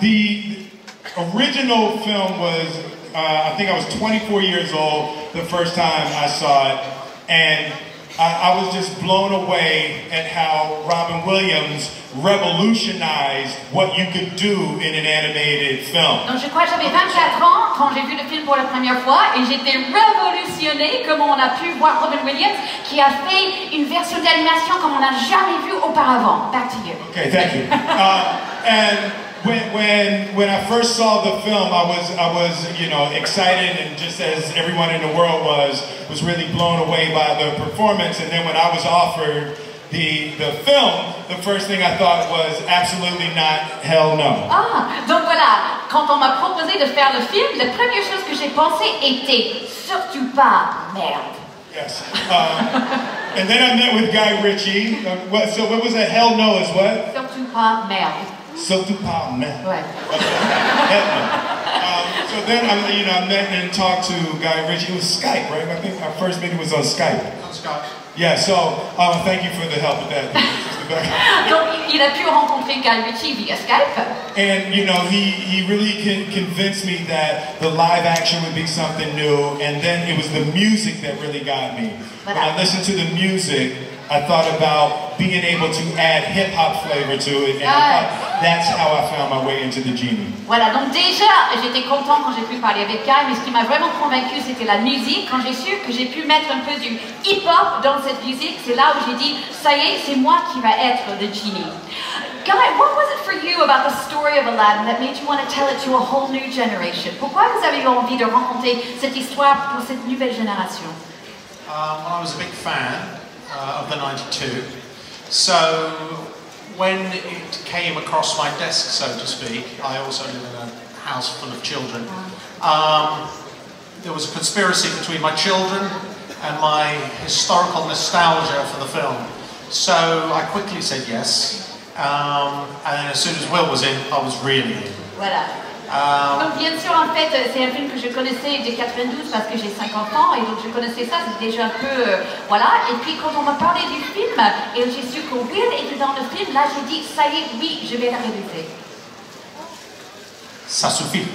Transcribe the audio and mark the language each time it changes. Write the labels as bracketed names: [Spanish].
[English] The original film was, I think I was 24 years old the first time I saw it, and I was just blown away at how Robin Williams revolutionized what you could do in an animated film. [French] Donc je crois que j'avais 24 ans quand j'ai vu le film pour la première fois et j'étais révolutionné comment on a pu voir Robin Williams qui a fait une version d'animation comme on n'a jamais vu auparavant. [English] Back to you. Okay, thank you. When I first saw the film, I was you know, excited, and just as everyone in the world was really blown away by the performance. And then when I was offered the film, the first thing I thought was absolutely not, hell no. [French] Ah, donc voilà, quand on m'a proposé de faire le film, la première chose que j'ai pensé était surtout pas merde. [English] Yes. and then I met with Guy Ritchie. So what was a hell no as what? [French] Surtout pas merde. Surtout pas merde. Ouais. [English] So then I met and talked to Guy Ritchie. It was Skype, right? I think our first meeting was on Skype. On Skype. Yeah, so thank you for the help with that. [French] Donc, il a pu rencontrer Guy Ritchie via Skype. [English] And, you know, he really convinced me that the live action would be something new. And then it was the music that really got me. [French] Voilà. [English] When I listened to the music, I thought about being able to add hip-hop flavor to it. And that's how I found my way into the genie. [French] Voilà, donc déjà, j'étais content quand j'ai pu parler avec Guy. Mais ce qui m'a vraiment convaincu, c'était la musique. Quand j'ai su que j'ai pu mettre un peu du hip-hop dans cette musique, c'est là où j'ai dit, ça y est, c'est moi qui va être le genie. [English] Guy, what was it for you about the story of Aladdin that made you want to tell it to a whole new generation? [French] Pourquoi vous avez envie de raconter cette histoire pour cette nouvelle génération? [English] Well, I was a big fan of the 92. So when it came across my desk, so to speak, I also live in a house full of children. There was a conspiracy between my children and my historical nostalgia for the film. So I quickly said yes, and then as soon as Will was in, I was really in. [French] Voilà. Donc bien sûr, en fait, c'est un film que je connaissais de 92 parce que j'ai 50 ans et donc je connaissais ça, c'est déjà un peu, voilà. Et puis quand on m'a parlé du film et j'ai su que Will était dans le film, là j'ai dit, ça y est, oui, je vais la réaliser. Ça suffit.